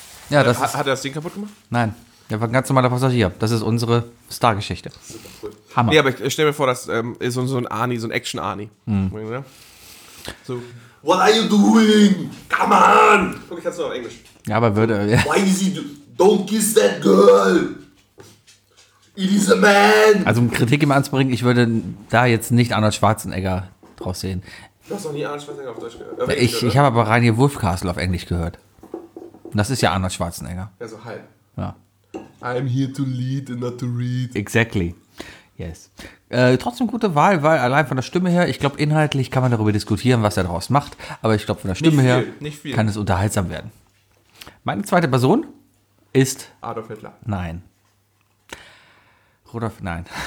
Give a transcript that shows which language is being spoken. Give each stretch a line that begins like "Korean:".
German: Ja, hat er das Ding kaputt gemacht? Nein. Der war ein ganz normaler Passagier. Das ist unsere Star-Geschichte. Cool. Hammer. Nee, aber ich stell mir vor, das ist so ein Arnie, so ein Action-Arnie. Mhm.
English: So, what are you doing? Come on!
German: Guck, ich kann es nur auf Englisch. Ja, aber würde er. Ja.
English: Why is he, don't kiss that girl! It is a man!
German: Also, um Kritik immer anzubringen, ich würde da jetzt nicht Arnold Schwarzenegger draus sehen. Du hast noch nie Arnold Schwarzenegger auf Deutsch gehört. Ich habe aber Rainer Wolfcastle auf Englisch gehört. Das ist ja Arnold Schwarzenegger. Ja, so halb. Ja.
English: I'm here to lead and not to read. Exactly. Yes.
German: Trotzdem gute Wahl, weil allein von der Stimme her, ich glaube, inhaltlich kann man darüber diskutieren, was er daraus macht, aber ich glaube, von der Stimme nicht viel, her nicht viel. Kann es unterhaltsam werden. Meine zweite Person ist Adolf Hitler. Nein. Rudolf, nein.